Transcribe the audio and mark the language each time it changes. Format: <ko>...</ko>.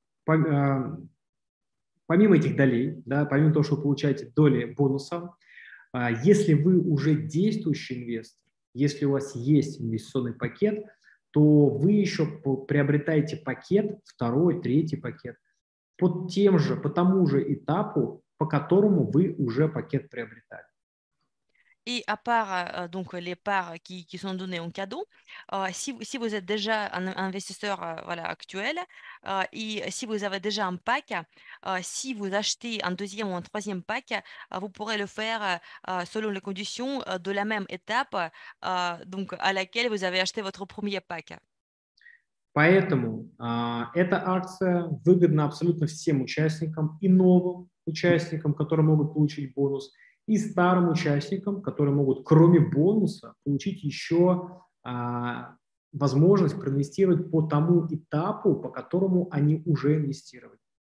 <ru>Помимо этих долей, да, помимо того, что вы получаете доли бонуса, если вы уже действующий инвестор, если у вас есть инвестиционный пакет, то вы еще приобретаете пакет, второй, третий пакет, по тому же этапу, по которому вы уже пакет приобретали.</ru> <fr>Et à part donc les parts qui sont données en cadeau, si vous êtes déjà un investisseur actuel et si vous avez déjà un pack, si vous achetez un deuxième ou un troisième pack, vous pourrez le faire selon les conditions de la même étape donc à laquelle vous avez acheté votre premier pack.</fr> <ru>Поэтому эта акция выгодна абсолютно всем участникам и новым участникам, которые могут получить бонус. И старым участникам, которые могут, кроме бонуса, получить еще возможность проинвестировать по тому этапу, по которому они уже инвестировали.</ru>